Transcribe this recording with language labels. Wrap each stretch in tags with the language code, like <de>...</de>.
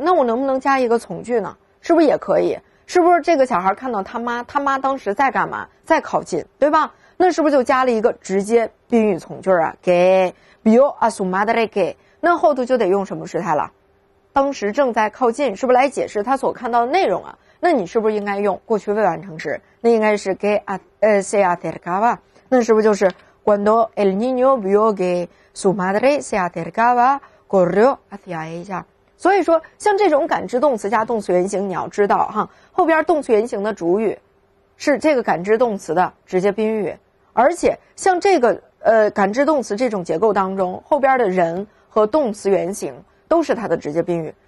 <zh>那我能不能加一个从句呢？是不是也可以？是不是这个小孩看到他妈，他妈当时在干嘛？在靠近，对吧？那是不是就加了一个直接宾语从句啊？给</zh> <es>vio a su madre que，</es> <zh>那后头就得用什么时态了？当时正在靠近，是不是来解释他所看到的内容啊？那你是不是应该用过去未完成时？那应该是</zh> <es>que se acercaba，</es> <zh>那是不是就是</zh> <es>cuando el niño vio que su madre se acercaba corrió hacia ella？</es> <zh>所以说像这种感知动词加动词原形，你要知道哈，后边动词原形的主语是这个感知动词的直接宾语，而且像这个感知动词这种结构当中，后边的人和动词原形都是它的直接宾语。</zh>